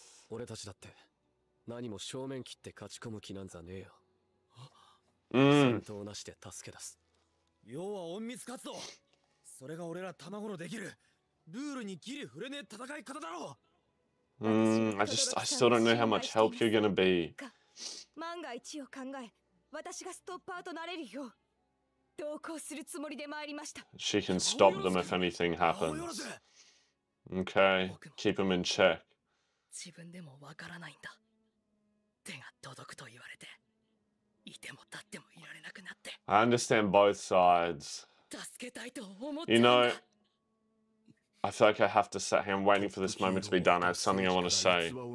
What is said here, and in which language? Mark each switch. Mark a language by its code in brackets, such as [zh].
[ja] 俺たちだって何も正面切って勝ち込む気なんざねえよ。うん。戦闘なしで助け出す。要は隠密活動。それが俺ら卵のできるルールにギリ触れねえ戦い方だろう。 [en] I still don't know how much help you're gonna be. [ja] 万が一を考え、私がストッパーとなれるよう同行するつもりで参りました。 [en] She can stop them if anything happens. Okay, keep them in check. [ja] 自分でもわからないんだ。手が届くと言われて、いても立ってもいられなくなって。 [en] I understand both sides. [ja] 助けたいと思ってるんだ。 [en] You know. I feel like I have to sit here and waiting for this moment to be done. I have something I want to say.